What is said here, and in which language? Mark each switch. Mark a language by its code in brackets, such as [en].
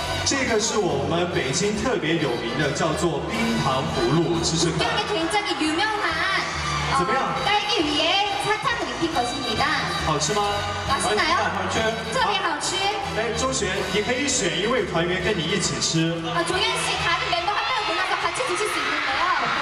[zh] 这个是我们北京特别有名的，叫做冰糖葫芦，这是。这个 [ko] 굉장히 유명한 딸기 위에 사탕을 입힌 것입니다. [zh] 好吃吗？ [ko] 맛있나요？ [zh] 特别好吃。哎，周璇，你可以选一位团员跟你一起吃。啊，周璇是他的 [ko] member， 한 명 보내서 같이 드실 수 있는데요。